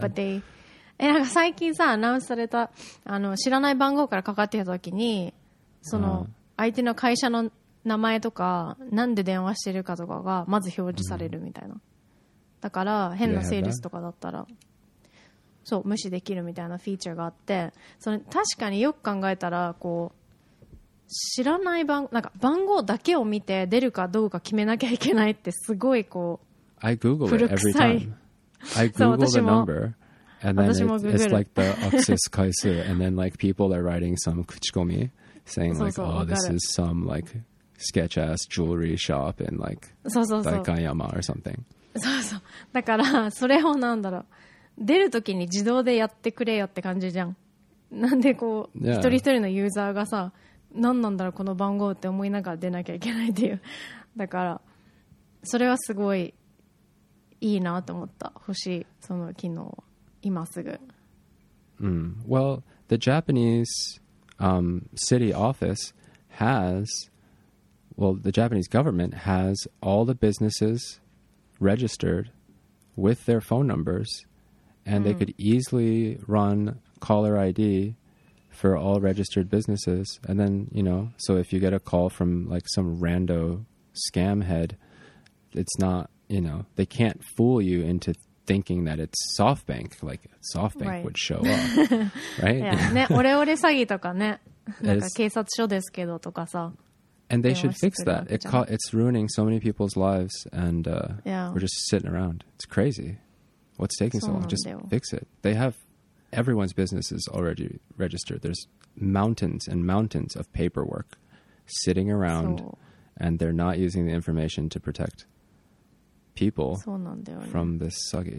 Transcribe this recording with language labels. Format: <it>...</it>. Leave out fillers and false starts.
<en>But they</en> <ja>なんか最近さアナウンスされた知らない番号からかかってきた時にその相手の会社の名前とかなんで電話してるかとかがまず表示されるみたいな、だから変なセールスとかだったらそう無視できるみたいなフィーチャーがあって、それ確かによく考えたらこう知らない番なんか番号だけを見て出るかどうか決めなきゃいけないってすごいこう</ja> <en>I Google it every time. I Google the number and then it's like the access 回数 and then like people are writing some 口コミ saying like</en> <ja>そうそう</ja> <en>oh this is some likesketch ass jewelry shop in like Daikanyama or something.</en> <ja>そうそう。だからそれをなんだろう。出るときに自動でやってくれよって感じじゃん。なんでこう、一人一人のユーザーがさ、何なんだろうこの番号って思いながら出なきゃいけないっていう。だからそれはすごいいいなと思った。欲しいその機能を今すぐ。</ja> <en>Well, the Japanese city office has Well, the Japanese government has all the businesses registered with their phone numbers, and they could easily run caller ID for all registered businesses. And then, you know, so if you get a call from like some rando scam head, it's not, you know, they can't fool you into thinking that it's SoftBank, like SoftBank would show up, right? Yeah,</en> <ja>ね、オレオレ詐欺とかね、なんか警察署ですけどとかさ。</ja> <en>And they should fix that. It's ruining so many people's lives and we're just sitting around. It's crazy. What's taking so long? Just fix it. They have everyone's businesses already registered. There's mountains and mountains of paperwork sitting around and they're not using the information to protect people from this sucky.</en>